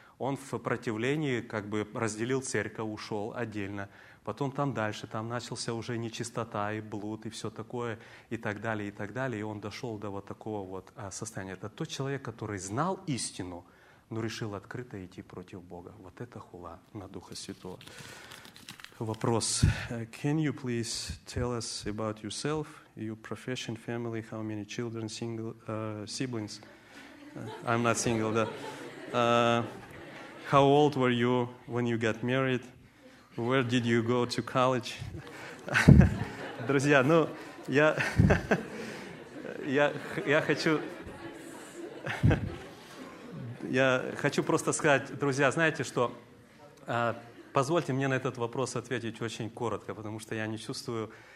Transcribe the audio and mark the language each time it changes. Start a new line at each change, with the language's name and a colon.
Russian: Он в противлении как бы разделил церковь, ушел отдельно. Потом там дальше, там начался уже нечистота и блуд и все такое, и так далее, и так далее. И он дошел до вот такого вот состояния. Это тот человек, который знал истину, но решил открыто идти против Бога. Вот это хула на Духа Святого. Вопрос.
English: Can you please tell us about yourself, your profession, family, how many children, single, siblings? I'm not single. But, how old were you when you got married? Where did you go to college?
Russian: Друзья, ну, я хочу просто сказать, друзья, знаете что, позвольте мне на этот вопрос ответить очень коротко, потому что я не чувствую,